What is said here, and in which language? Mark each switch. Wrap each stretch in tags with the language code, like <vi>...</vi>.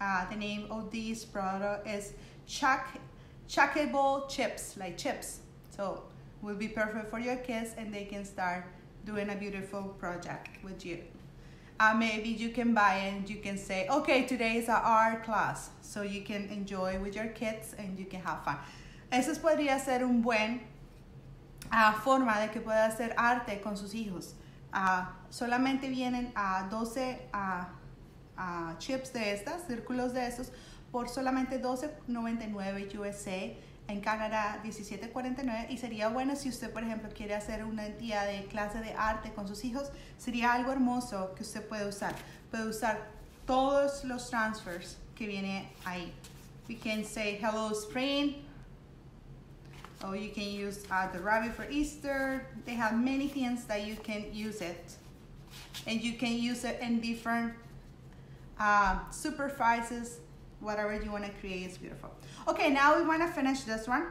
<en>The name of this product is Chuckable Chips, like chips. So will be perfect for your kids and they can start doing a beautiful project with you. Maybe you can buy it and you can say, okay, today is an art class. So you can enjoy with your kids and you can have fun.</en> <es>Eso podría ser un buen forma de que pueda hacer arte con sus hijos. Solamente vienen a 12 chips de estas, círculos de estos, por solamente $12.99 USA. En Canadá, $17.49. Y sería bueno si usted, por ejemplo, quiere hacer un día de clase de arte con sus hijos, sería algo hermoso que usted puede usar. Puede usar todos los transfers que viene ahí.</es> <en>We can say hello spring. Oh, you can use the rabbit for Easter. They have many things that you can use it. And you can use it in different superfaces, whatever you want to create is beautiful. Okay, now we want to finish this one.</en>